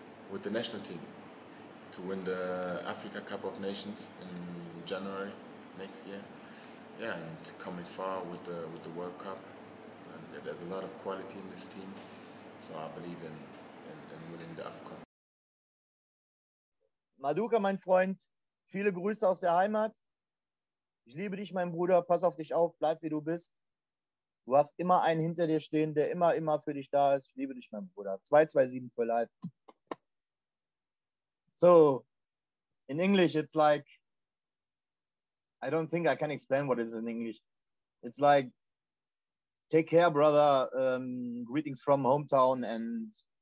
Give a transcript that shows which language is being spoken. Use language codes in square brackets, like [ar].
[en] With the national team, to win the Africa Cup of Nations in January next year. Yeah, and coming far with the World Cup. And yeah, there's a lot of quality in this team, so I believe in winning the AFCON. [de] Maduka, mein Freund, viele Grüße aus der Heimat. Ich liebe dich, mein Bruder, pass auf dich auf, bleib wie du bist. Du hast immer einen hinter dir stehen, der immer, immer für dich da ist. Ich liebe dich, mein Bruder. 227 für life. [en] So, in English, it's like, I don't think I can explain what it is in English. It's like, take care, brother, greetings from hometown and